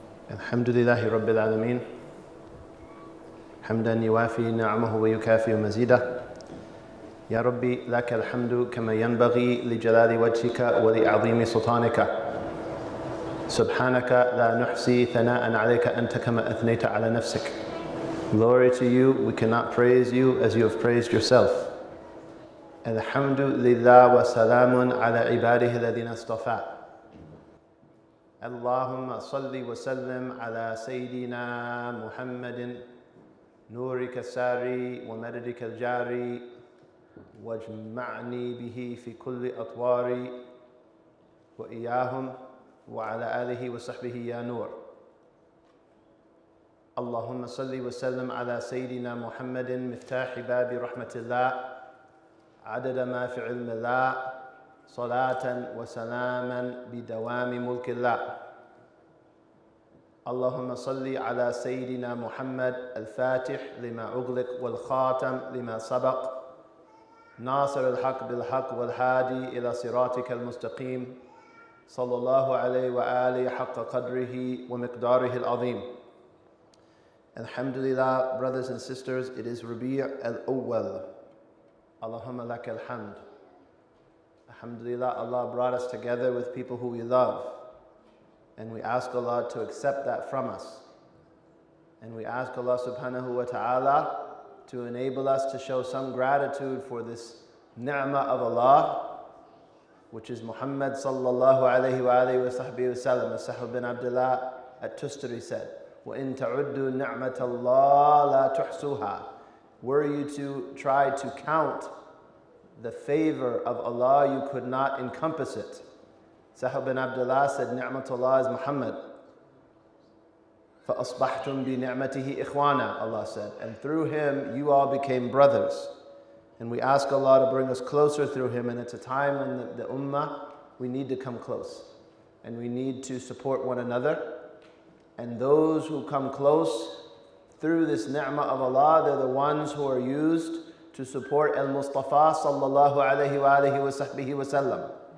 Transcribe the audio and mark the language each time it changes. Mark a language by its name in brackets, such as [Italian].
[Arabic] الحمد لله رب العالمين حمدا يوافي نعمه ويكافئ مزيده يا ربي لك الحمد كما ينبغي لجلال وجهك ولعظيم سلطانك سبحانك لا نحصي ثناء عليك انت كما اثنيت على نفسك. [English] Glory to you, we cannot praise you as you have praised yourself. [Arabic] الحمد لله وسلام على عباده الذين اصطفى. اللهم صل وسلم على سيدنا محمد نورك الساري ومددك الجاري واجمعني به في كل أطواري وإياهم وعلى آله وصحبه يا نور. اللهم صل وسلم على سيدنا محمد مفتاح باب رحمة الله عدد ما في علم الله صلاة وسلاما بدوام ملك الله. اللهم صل على سيدنا محمد الفاتح لما أغلق والخاتم لما سبق ناصر الحق بالحق والهادي إلى صراطك المستقيم صلى الله عليه وآله حق قدره ومقداره العظيم. الحمد لله. [English] Brothers and sisters, it is ربيع الأول. [Arabic] اللهم لك الحمد. [English] Alhamdulillah, Allah brought us together with people who we love. And we ask Allah to accept that from us. And we ask Allah subhanahu wa ta'ala to enable us to show some gratitude for this ni'mah of Allah, which is Muhammad sallallahu alayhi wa alayhi wa sahbihi wa sallam. As Sahab bin Abdullah at Tustari said, [Arabic] وَإِن تَعُدُّ نِعْمَةَ اللَّهِ لَا تُحْصُوهَا. [English] Were you to try to count the favor of Allah, you could not encompass it. Sahab bin Abdullah said, Ni'matullah is Muhammad. [Arabic] فَأَصْبَحْتُمْ بِنِعْمَتِهِ إِخْوَانًا, [English] Allah said. And through him, you all became brothers. And we ask Allah to bring us closer through him. And it's a time when the ummah, we need to come close. And we need to support one another. And those who come close through this ni'mah of Allah, they're the ones who are used to support al-Mustafa sallallahu alayhi wa alayhi wa sahbihi wa sallam.